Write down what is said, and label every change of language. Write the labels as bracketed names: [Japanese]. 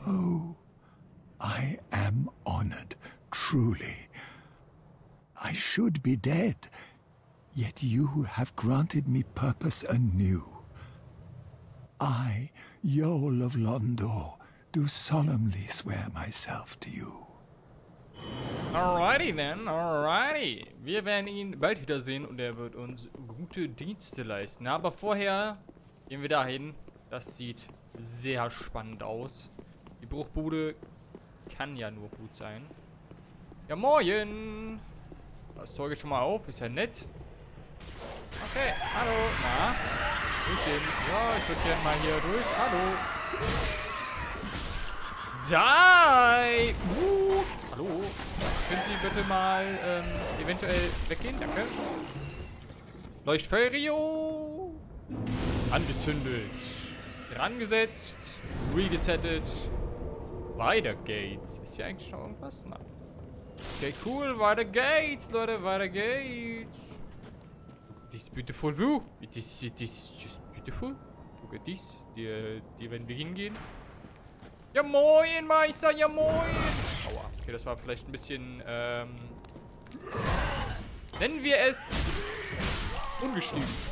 [English] Oh, I am honored, truly. I should be dead, yet you have granted me purpose anew. I, Yol of Londor, do solemnly swear myself to you. Alrighty then, alrighty. [German] Wir werden ihn bald wiedersehen und er wird uns gute Dienste leisten. Aber vorher gehen wir dahin. Das sieht sehr spannend aus. Die Bruchbude kann ja nur gut sein. Ja, moin. Das Zeug ist schon mal auf, ist ja nett. Okay, hallo. Na, Grüßchen. Ja, ich würde gerne mal hier durch. Hallo. Die. Hallo. Können Sie bitte mal eventuell weggehen? Danke. Leuchtferio. Angezündet. Drangesetzt. Resettet. Weiter geht's. Ist hier eigentlich noch irgendwas? Nein. Okay, cool. Weiter geht's, Leute. Weiter geht's. [English] Look at this beautiful view. It is just beautiful. Look at this. [German] Die werden wir hingehen. Ja, moin, Meister. Ja, moin. Aua. Okay, das war vielleicht ein bisschen, nennen wir es ungestüm.